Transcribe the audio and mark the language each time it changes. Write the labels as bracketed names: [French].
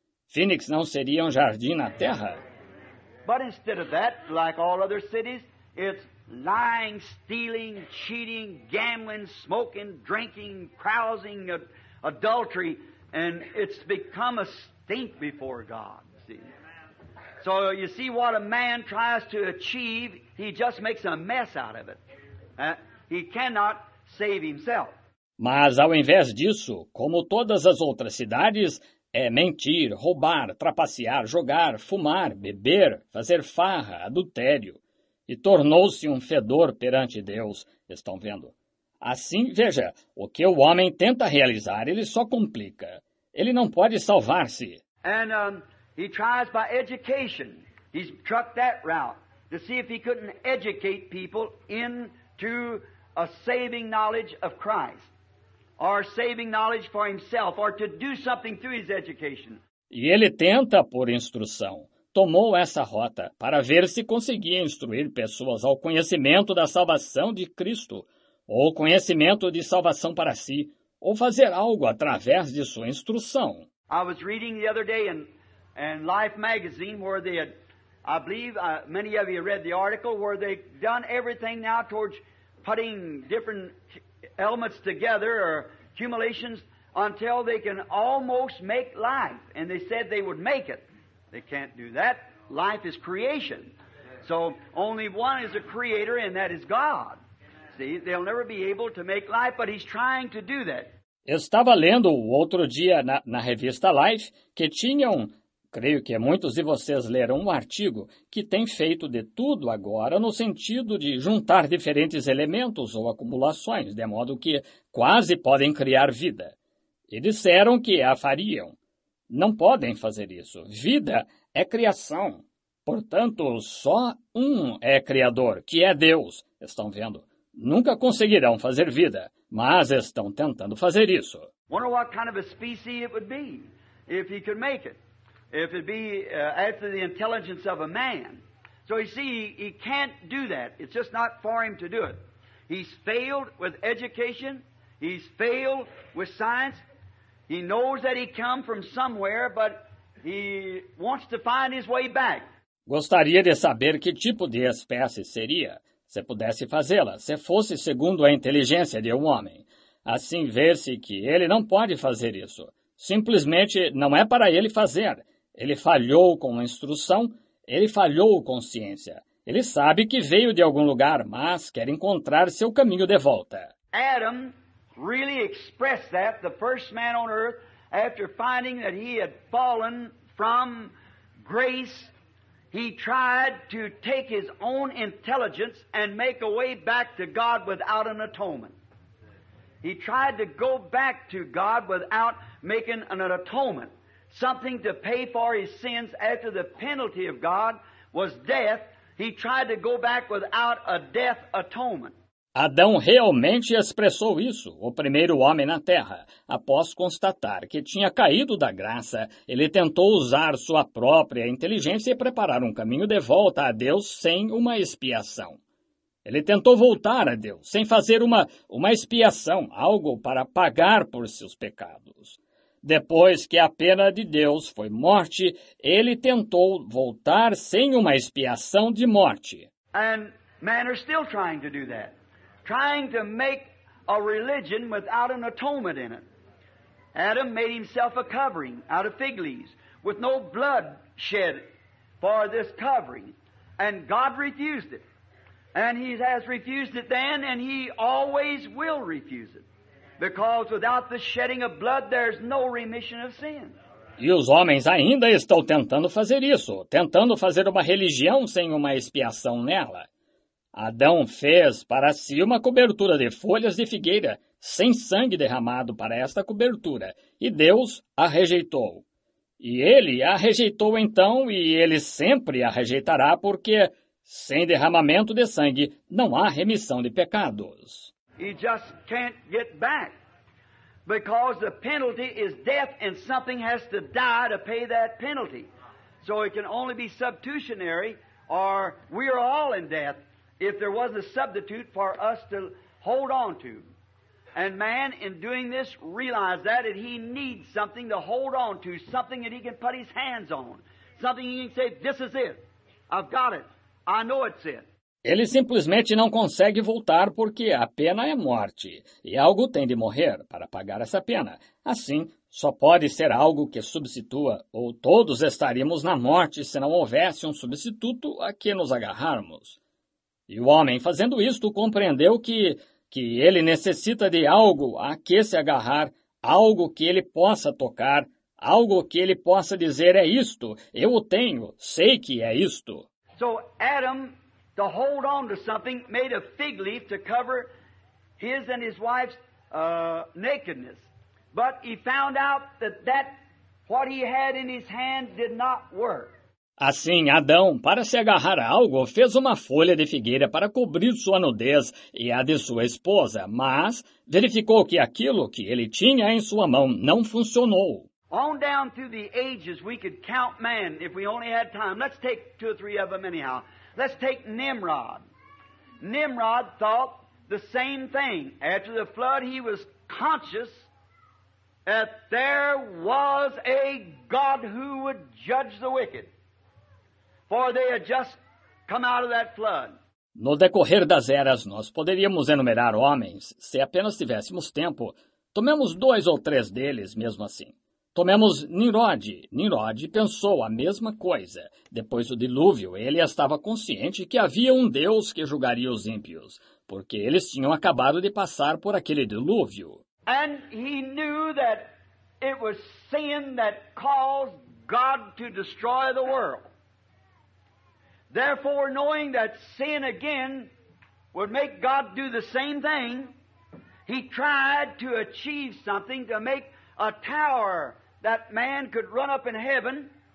[Portuguese] Phoenix não seria um jardim na terra? [English] But instead of that, like all other cities, it's lying, stealing, cheating, gambling, smoking, drinking, carousing, adultery, and it's become a stink before God, see? So you see what a man tries to achieve, he just makes a mess out of it. He cannot save himself. [Portuguese] Mas ao invés disso, como todas as outras cidades, é mentir, roubar, trapacear, jogar, fumar, beber, fazer farra, adultério. E tornou-se um fedor perante Deus, estão vendo? Assim, veja, o que o homem tenta realizar, ele só complica. Ele não pode salvar-se. [English] And he tries by education. He's trucked that route to see if he couldn't educate people into a saving knowledge of Christ. Or saving knowledge for himself, or to do something through his education. [Portuguese] E ele tenta por instrução. Tomou essa rota para ver se conseguia instruir pessoas ao conhecimento da salvação de Cristo, ou conhecimento de salvação para si, ou fazer algo através de sua instrução. [English] I was reading the other day in Life magazine where they had, I believe many of you read the article, where they done everything now towards putting different elements together or accumulations until they can almost make life. And they said they would make it. They can't do that. Life is creation. So only one is a creator, and that is God. See, they'll never be able to make life, but he's trying to do that. [Portuguese] Eu estava lendo o outro dia na revista Life, que tinham, creio que muitos de vocês leram um artigo, que tem feito de tudo agora no sentido de juntar diferentes elementos ou acumulações, de modo que quase podem criar vida. E disseram que a fariam. Não podem fazer isso. Vida é criação. Portanto, só um é criador, que é Deus. Estão vendo? Nunca conseguirão fazer vida. Mas estão tentando fazer isso. [English] Wonder what kind of a species it would be if he could make it. If it be after the intelligence of a man. So you see, he can't do that. It's just not for him to do it. He's failed with education. He's failed with science. He knows that he come from somewhere, but he wants to find his way back. [Portuguese] Gostaria de saber que tipo de espécie seria. Se pudesse fazê-la, se fosse segundo a inteligência de um homem. Assim vê-se que ele não pode fazer isso. Simplesmente não é para ele fazer. Ele falhou com a instrução, ele falhou com ciência. Ele sabe que veio de algum lugar, mas quer encontrar seu caminho de volta. [English] Adam really expressed that, the first man on earth, after finding that he had fallen from grace. He tried to take his own intelligence and make a way back to God without an atonement. He tried to go back to God without making an atonement, something to pay for his sins after the penalty of God was death. He tried to go back without a death atonement. [Portuguese] Adão realmente expressou isso, o primeiro homem na Terra. Após constatar que tinha caído da graça, ele tentou usar sua própria inteligência e preparar um caminho de volta a Deus sem uma expiação. Ele tentou voltar a Deus sem fazer uma expiação, algo para pagar por seus pecados. Depois que a pena de Deus foi morte, ele tentou voltar sem uma expiação de morte. [English] And man are still trying to do that. Trying to make a religion without an atonement in it. Adam made himself a covering out of fig leaves with no blood shed for this covering. And God refused it. And he has refused it then, and he always will refuse it. Because without the shedding of blood, there's no remission of sin. [Portuguese] E os homens ainda estão tentando fazer isso, tentando fazer uma religião sem uma expiação nela. Adão fez para si uma cobertura de folhas de figueira, sem sangue derramado para esta cobertura, e Deus a rejeitou. E ele a rejeitou então, e ele sempre a rejeitará, porque sem derramamento de sangue não há remissão de pecados. [English] He just can't get back, because the penalty is death, and something has to die to pay that penalty. So it can only be substitutionary, or we are all in death. If there was a substitute for us to hold on to. And man, in doing this, realized that, and he needs something to hold on to, something that he can put his hands on, something he can say, this is it. I've got it. I know it's it. [Portuguese] Ele simplesmente não consegue voltar porque a pena é morte, e algo tem de morrer para pagar essa pena. Assim, só pode ser algo que substitua, ou todos estaríamos na morte se não houvesse um substituto a que nos agarrarmos. E o homem, fazendo isto, compreendeu que ele necessita de algo a que se agarrar, algo que ele possa tocar, algo que ele possa dizer, é isto, eu o tenho, sei que é isto. [English] So Adam, to hold on to something, made a fig leaf to cover his and his wife's nakedness. But he found out that what he had in his hand did not work. [Portuguese] Assim, Adão, para se agarrar a algo, fez uma folha de figueira para cobrir sua nudez e a de sua esposa, mas verificou que aquilo que ele tinha em sua mão não funcionou. [English] On down through the ages, we could count man if we only had time. Let's take two or three of them anyhow. Let's take Nimrod. Nimrod thought the same thing. After the flood, he was conscious that there was a God who would judge the wicked. For they had just come out of that flood. [Portuguese] No decorrer das eras, nós poderíamos enumerar homens, se apenas tivéssemos tempo, Tomemos dois ou três deles, mesmo assim. Tomemos Nimrod. Nimrod pensou a mesma coisa. Depois do dilúvio, ele estava consciente que havia um Deus que julgaria os ímpios, porque eles tinham acabado de passar por aquele dilúvio. [English] And he knew that it was sin that caused God to destroy the world. Therefore, knowing that sin again would make God do the same thing, he tried to achieve something to make a tower that man could run up in heaven.